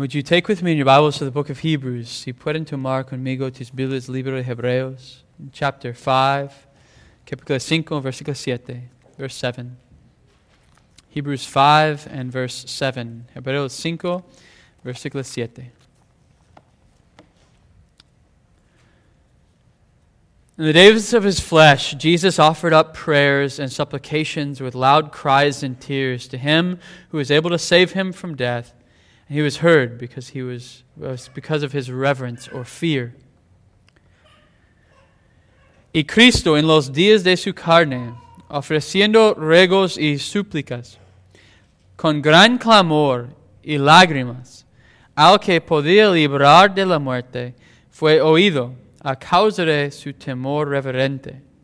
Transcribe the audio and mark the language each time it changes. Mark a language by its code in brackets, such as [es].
[en] Would you take with me in your Bibles to the book of Hebrews? [es] Si pueden tomar conmigo tus Biblias, libro de Hebreos, chapter 5, capítulo 5, versículo 7, verse 7. [en] Hebrews 5 and verse 7. [es] Hebreos 5, versículo 7. [en] In the days of his flesh, Jesus offered up prayers and supplications with loud cries and tears to him who was able to save him from death. And he was heard because he was because of his reverence or fear. [es] Y Cristo, en los días de su carne, ofreciendo ruegos y súplicas, con gran clamor y lágrimas, al que podía librar de la muerte, fue oído a causa de su temor reverente.